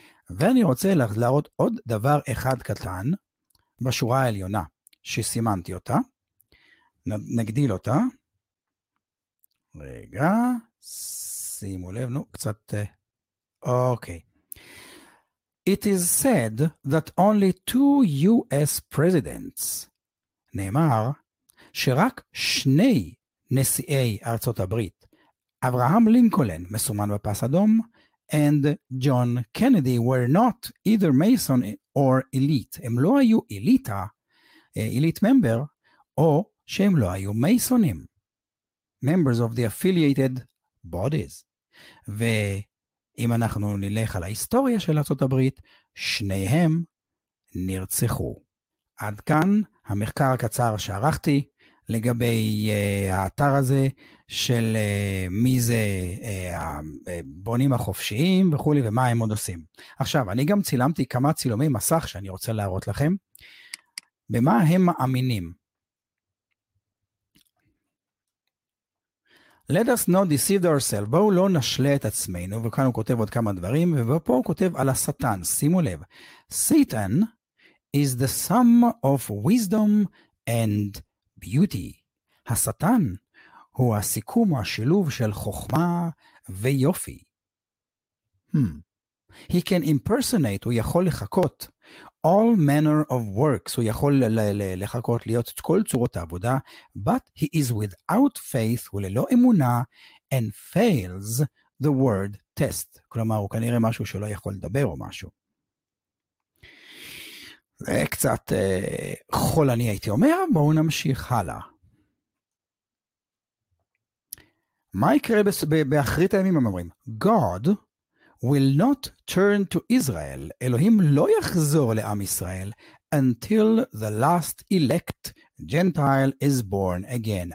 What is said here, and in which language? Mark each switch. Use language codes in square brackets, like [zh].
[he] ואני רוצה להראות עוד דבר אחד קטן, בשורה העליונה, שסימנתי אותה, נגדיל אותה, רגע, שימו לב, נו, קצת, אוקיי. [en] It is said that only 2 US presidents, [he] נאמר שרק 2 נשיאי ארצות הברית, אברהם לינקולן מסומן בפס אדום, [en] and John Kennedy were not either Mason or elite. [he] הם לא היו אליטה, [en] elite member, [he] או שהם לא היו מייסונים, [en] members of the affiliated bodies. [he] ואם אנחנו נלך על ההיסטוריה של ארצות הברית, שניהם נרצחו. עד כאן המחקר הקצר שערכתי לגבי האתר הזה של מי זה הבונים החופשיים וכולי ומה הם עוד עושים. עכשיו, אני גם צילמתי כמה צילומי מסך שאני רוצה להראות לכם, במה הם מאמינים. [en] Let us not deceive ourselves. [he] בואו לא נשלה את עצמנו, וכאן הוא כותב עוד כמה דברים, ופה הוא כותב על השטן, שימו לב. [en] Satan is the sum of wisdom and beauty. [he] השטן הוא הסיכום, השילוב של חוכמה ויופי. [en] He can impersonate, [he] הוא יכול לחכות, [en] all manner of works, [he] הוא יכול לחכות להיות את כל צורות העבודה, [en] but he is without faith, [he] הוא ללא אמונה, [en] and fails the word test. [he] כלומר, הוא כנראה משהו שלא יכול לדבר או משהו. זה קצת חולני הייתי אומר, בואו נמשיך הלאה. מה יקרה באחרית הימים, הם אומרים? [en] God will not turn to Israel. [he] אלוהים לא יחזור לעם ישראל [en] until the last elect Gentile is born again.